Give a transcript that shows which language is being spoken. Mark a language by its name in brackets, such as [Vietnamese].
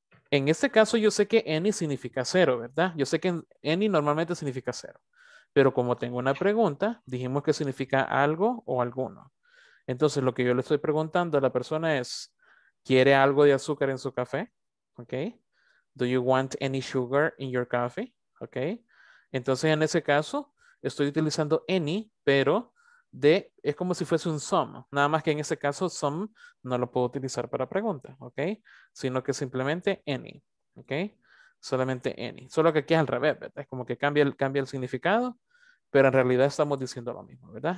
[Spanish] En este caso yo sé que any significa cero, ¿verdad? Yo sé que any normalmente significa cero. Pero como tengo una pregunta, dijimos que significa algo o alguno. Entonces lo que yo le estoy preguntando a la persona es, ¿quiere algo de azúcar en su café? ¿Ok? [English] Do you want any sugar in your coffee? [Spanish] ¿Ok? Entonces en ese caso estoy utilizando any, pero es como si fuese un some. Nada más que en ese caso some no lo puedo utilizar para pregunta, ¿ok? Sino que simplemente any. ¿Ok? Solamente any. Solo que aquí es al revés, ¿verdad? Es como que cambia el significado, pero en realidad estamos diciendo lo mismo, ¿verdad?